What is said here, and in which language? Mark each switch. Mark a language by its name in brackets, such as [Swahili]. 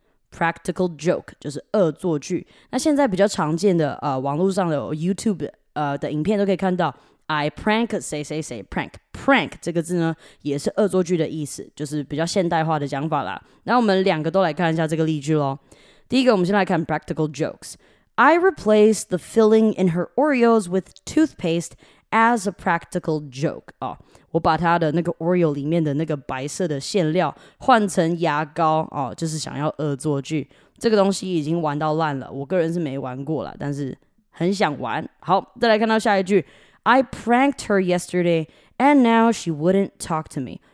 [Chinese] practical joke 就是恶作剧。那现在比较常见的网络上的 YouTube 的影片都可以看到。 [English] I prank [Chinese] 谁谁谁 prank prank 这个字呢也是恶作剧的意思，就是比较现代化的讲法啦。那我们两个都来看一下这个例句咯。第一个我们先来看 practical jokes. [English] I replaced the filling in her Oreos with toothpaste as a practical joke. [Chinese] 哦，我把她的那个 Oreo 里面的那个白色的馅料换成牙膏，哦，就是想要恶作剧。这个东西已经玩到烂了，我个人是没玩过啦，但是很想玩。好，再来看到下一句。 [English] I pranked her yesterday, and now she wouldn't talk to me.